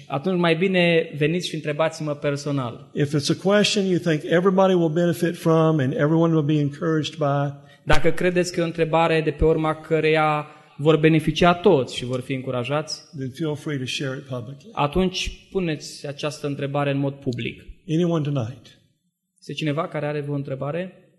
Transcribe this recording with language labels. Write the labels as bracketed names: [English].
[Romanian] Atunci mai bine veniți și întrebați-mă personal. [English] If it's a question you think everybody will benefit from and everyone will be encouraged by, [Romanian] dacă credeți că e o întrebare de pe urma căreia vor beneficia toți și vor fi încurajați, [English] then feel free to share it publicly. [Romanian] Atunci puneți această întrebare în mod public. [English] Anyone tonight? [Romanian] Este cineva care are o întrebare?